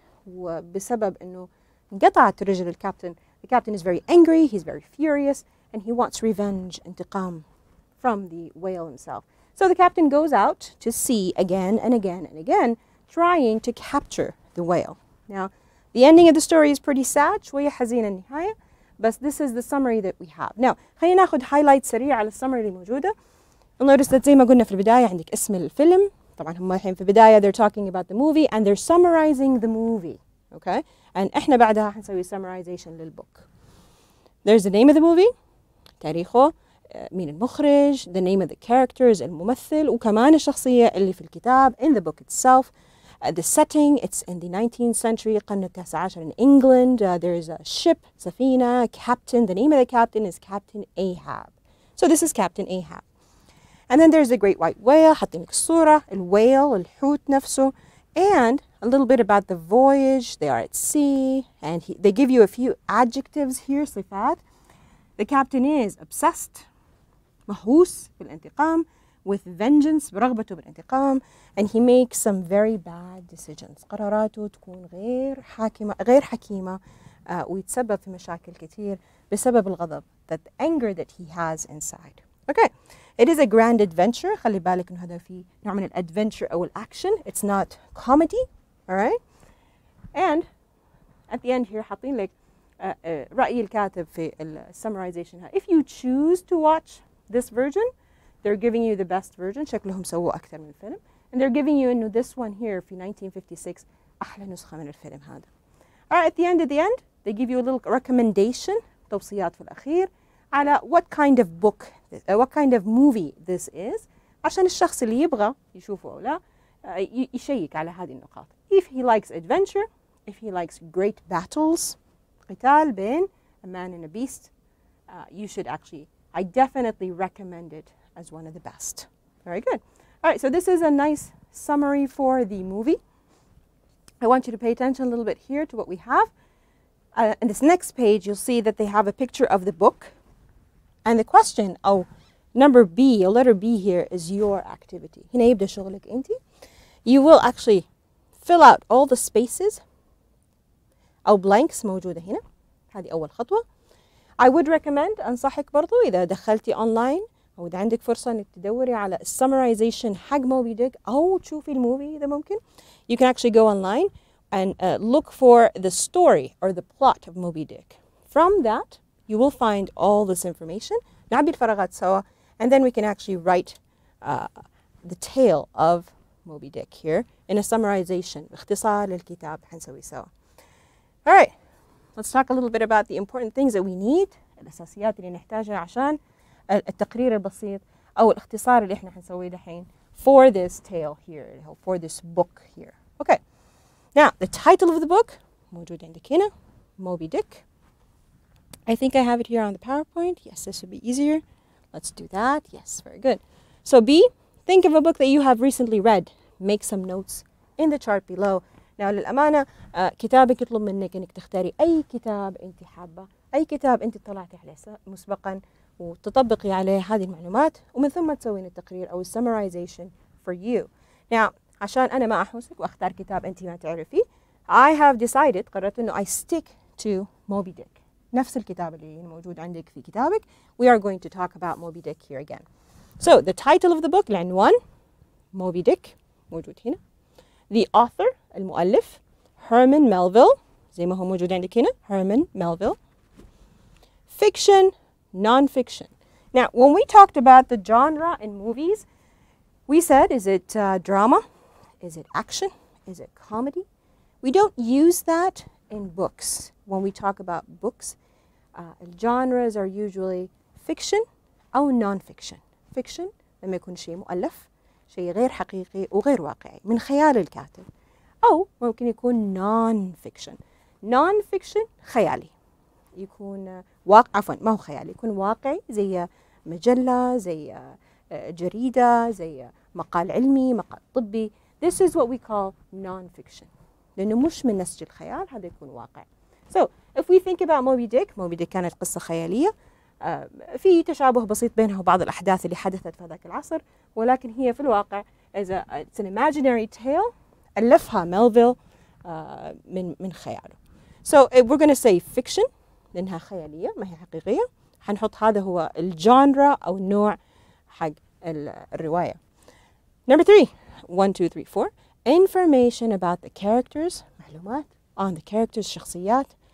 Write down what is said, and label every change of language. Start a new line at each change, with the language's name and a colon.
Arabic: وبسبب انه انقطعت رجل الكابتن,
English: the captain is very angry, he's very furious, and he wants revenge, انتقام, from the whale himself. So the captain goes out to sea again and again and again, trying to capture the whale. Now, the ending of the story is pretty sad,
Arabic: شوية حزينة النهاية,
English: but this is the summary that we have.
Arabic: Now, خلينا ناخد highlights سريع على السمري الموجودة.
English: Notice that,
Arabic: زي ما قلنا في البداية, عندك اسم الفيلم. طبعاً هم الحين في البداية,
English: they're talking about the movie, and they're summarizing the movie, okay?
Arabic: And إحنا بعدها حنسوي summarization للبوك.
English: There's the name of the movie,
Arabic: تاريخه, مين المخرج,
English: the name of the characters, الممثل,
Arabic: وكمان الشخصية اللي في الكتاب,
English: in the book itself. The setting, it's in the 19th century,
Arabic: القرن التاسع عشر
English: in England. There's a ship, سفينة, captain, the name of the captain is Captain Ahab. So this is Captain Ahab. And then there's the great white whale,
Arabic: حاطين لك الصورة, الويل, الحوت نفسه,
English: and a little bit about the voyage, they are at sea, and they give you a few adjectives here, صفات. The captain is obsessed,
Arabic: مهووس بالانتقام,
English: with vengeance,
Arabic: برغبته بالانتقام,
English: and he makes some very bad decisions.
Arabic: قراراته تكون غير حكيمة, ويتسبب في مشاكل كتير بسبب الغضب,
English: that the anger that he has inside. Okay, it is a grand adventure.
Arabic: خلي بالك إنه هذا في نوع من الادفنتشر أو الأكشن.
English: It's not comedy, all right? And at the end here,
Arabic: حاطين لك رأي الكاتب في السمرايزيشن.
English: If you choose to watch this version, they're giving you the best version.
Arabic: شكلهم سووا أكثر من الفيلم.
English: And they're giving you إنه this one here في 1956
Arabic: أحلى نسخة من الفيلم هذا.
English: All right, at the end, they give you a little recommendation,
Arabic: توصيات في الأخير,
English: على what kind of book, what kind of movie this is,
Arabic: عشان الشخص اللي يبغى يشوفه أو لا, يشيك على هذه النقاط.
English: If he likes adventure, if he likes great battles,
Arabic: قتال بين
English: a man and a beast, you should actually, I definitely recommend it as one of the best. Very good. All right, so this is a nice summary for the movie. I want you to pay attention a little bit here to what we have. In this next page, you'll see that they have a picture of the book. And the question, oh, number B, or letter B here, is your activity.
Arabic: هنا يبدأ شغلك أنت.
English: You will actually fill out all the spaces أو blanks موجودة هنا.
Arabic: هذه أول خطوة.
English: I would recommend,
Arabic: أنصحك برضو, إذا دخلتي online أو إذا عندك فرصة أنك تدوري على summarization حق Moby Dick أو تشوفي الموفي إذا ممكن.
English: You can actually go online and look for the story or the plot of Moby Dick. From that, you will find all this information.
Arabic: نعبي الفراغات سوا,
English: and then we can actually write the tale of Moby Dick here in a summarization.
Arabic: باختصار للكتاب حنسوي سوا.
English: All right, let's talk a little bit about the important things that we need.
Arabic: الأساسيات اللي نحتاجها عشان التقرير البسيط أو الاختصار اللي إحنا حنسويه دحين
English: for this tale here, for this book here. Okay, now the title of the book
Arabic: موجود عندك هنا,
English: Moby Dick. I think I have it here on the PowerPoint. Yes, this would be easier. Let's do that. Yes, very good. So B, think of a book that you have recently read. Make some notes in the chart below.
Arabic: Now, للأمانة, كتابك يطلب منك أنك تختاري أي كتاب أنت حابة, أي كتاب أنت طلعتي عليه مسبقاً وتطبقي عليه هذه المعلومات, ومن ثم تسوين التقرير أو summarization for you. Now, عشان أنا ما أحوسك وأختار كتاب أنت ما تعرفي,
English: I have decided,
Arabic: قررت أنه
English: I stick to Moby Dick.
Arabic: نفس الكتاب اللي موجود عندك في كتابك.
English: We are going to talk about Moby Dick here again. So the title of the book, العنوان, Moby Dick,
Arabic: موجود هنا.
English: The author, المؤلف, Herman Melville,
Arabic: زي ما هو موجود عندك هنا,
English: Herman Melville. Fiction, non-fiction. Now, when we talked about the genre in movies, We said, is it drama? Is it action? Is it comedy? We don't use that in books. When we talk about books, genres are usually fiction or non-fiction.
Arabic: Fiction, لما يكون شيء مؤلف, شيء غير حقيقي وغير واقعي, من خيال الكاتب. أو ممكن يكون non-fiction. Non-fiction, خيالي. يكون واقع, عفوا, ما هو خيالي, يكون واقعي, زي مجلة, زي جريدة, زي مقال علمي, مقال طبي.
English: This is what we call non-fiction.
Arabic: لأنه مش من نسج الخيال, هذا يكون واقع.
English: So, if we think about Moby Dick, Moby Dick
Arabic: كانت قصة خيالية. في تشابه بسيط بينها وبعض الأحداث اللي حدثت في ذاك العصر, ولكن هي في الواقع
English: is a, it's an imaginary tale.
Arabic: ألفها ميلفيل من خياله.
English: So, we're going to say fiction,
Arabic: لأنها خيالية, ما هي حقيقية. حنحط هذا هو الجانرا أو النوع حق الرواية.
English: Number three. 1, 2, 3, 4. Information about the characters. معلومات on the characters, شخصيات.